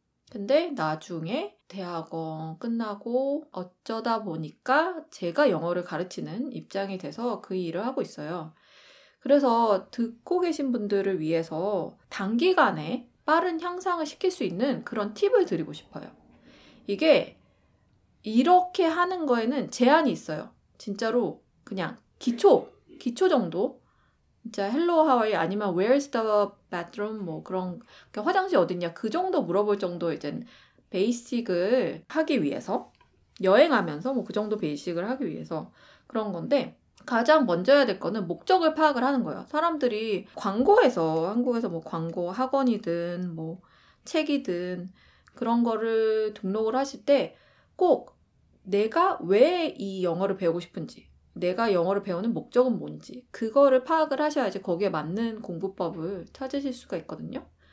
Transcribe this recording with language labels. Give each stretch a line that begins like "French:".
Korean: 근데 나중에 대학원 끝나고 어쩌다 보니까 제가 영어를 가르치는 입장이 돼서 그 일을 하고 있어요. 그래서 듣고 계신 분들을 위해서 단기간에 빠른 향상을 시킬 수 있는 그런 팁을 드리고 싶어요. 이게 이렇게 하는 거에는 제한이 있어요. 진짜로 그냥 기초 정도. 진짜
English: hello, how are you?
Korean: 아니면
English: where's the bathroom?
Korean: 뭐 그런 화장실 어딨냐? 그 정도 물어볼 정도 이제 베이식을 하기 위해서 여행하면서 뭐 그 정도 베이식을 하기 위해서 그런 건데 가장 먼저 해야 될 거는 목적을 파악을 하는 거예요. 사람들이 광고에서 한국에서 뭐 광고 학원이든 뭐 책이든 그런 거를 등록을 하실 때 꼭 내가 왜 이 영어를 배우고 싶은지 내가 영어를 배우는 목적은 뭔지 그거를 파악을 하셔야지 거기에 맞는 공부법을 찾으실 수가 있거든요.